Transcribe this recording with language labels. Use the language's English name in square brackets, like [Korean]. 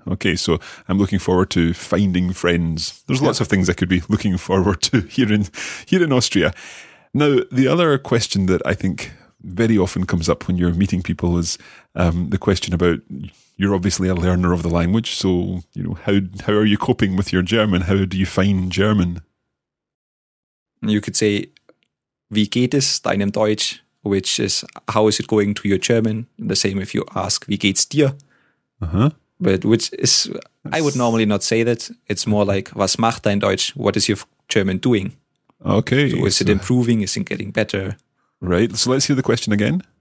[English] Okay, so I'm looking forward to finding friends. There's lots of things I could be looking forward to here in Austria. Now, the other question that I think very often comes up when you're meeting people is the question about, you're obviously a learner of the language, so, you know, how are you coping with your German? How do you find German? You could say, [German] wie geht es deinem Deutsch? [English] Which is, how is it going to your German? The same if you ask, [German] wie geht's dir? [English] I would normally not say that. It's more like, [German] was macht dein Deutsch? [English] What is your German doing? Okay. So is it improving? Is it getting better? Right. So let's hear the question again.